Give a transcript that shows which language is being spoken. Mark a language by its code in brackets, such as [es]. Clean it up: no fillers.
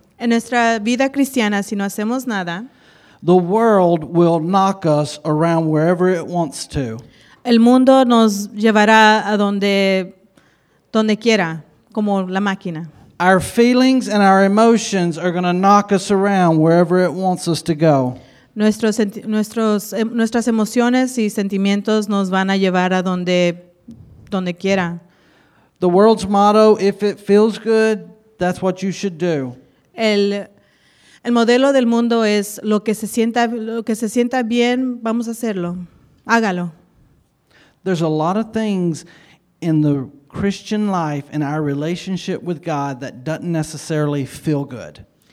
[es] en nuestra vida cristiana, si no hacemos nada, [en] the world will knock us around wherever it wants to. [es] El mundo nos llevará a donde quiera, como la máquina. [en] Our feelings and our emotions are going to knock us around wherever it wants us to go. [es] Nuestras emociones y sentimientos nos van a llevar a donde quiera. [en] The world's motto, if it feels good, that's what you should do. [es] El modelo del mundo es lo que se sienta bien, vamos a hacerlo. Hágalo. [en] There's a lot of things in the Christian life and our relationship with God that doesn't necessarily feel good.